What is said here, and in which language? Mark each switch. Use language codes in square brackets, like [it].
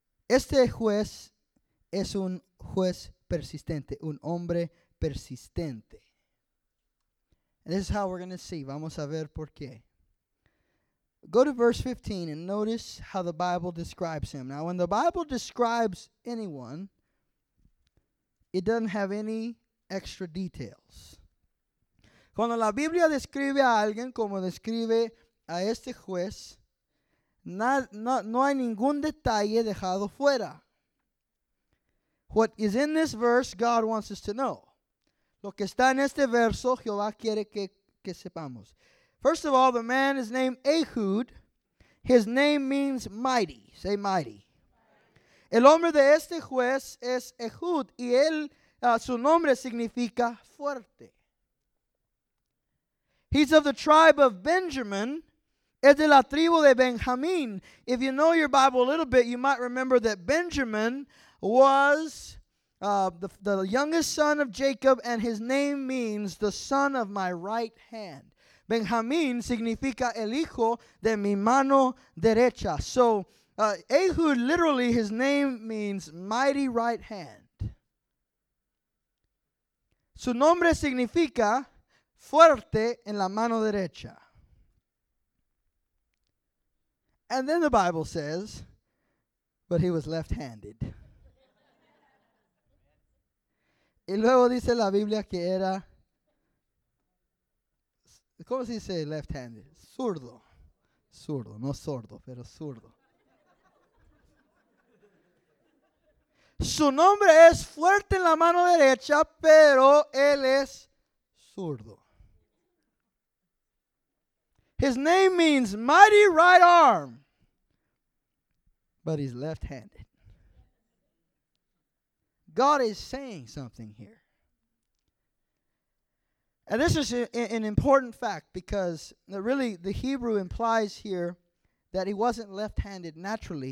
[es] Este juez es un juez persistente, un hombre persistente. [en] And this is how we're going to see. [es] Vamos a ver por qué. [en] Go to verse 15 and notice how the Bible describes him. Now, when the Bible describes anyone, it doesn't have any extra details. [es] Cuando la Biblia describe a alguien como describe a este juez, no hay ningún detalle dejado fuera. [en] What is in this verse, God wants us to know. [es] Lo que está en este verso, Jehová quiere que sepamos. [en] First of all, the man is named Ehud. His name means mighty. Say mighty. [es] El hombre de este juez es Ehud, y él, su nombre significa fuerte. [en] He's of the tribe of Benjamin. [es] Es de la tribu de Benjamín. [en] If you know your Bible a little bit, you might remember that Benjamin was the youngest son of Jacob, and his name means the son of my right hand. [es] Benjamín significa el hijo de mi mano derecha. [en] So, Ehud, literally, his name means mighty right hand. [es] Su nombre significa fuerte en la mano derecha. [en] And then the Bible says, but he was left-handed. [es] Y luego dice la Biblia que era, ¿cómo se dice left-handed? Zurdo. Zurdo, no sordo, pero zurdo. Su nombre es fuerte en la mano derecha, pero él es zurdo. [en] His name means mighty right arm, but he's left-handed. God is saying something here. And this is an important fact because really the Hebrew implies here that he wasn't left-handed naturally.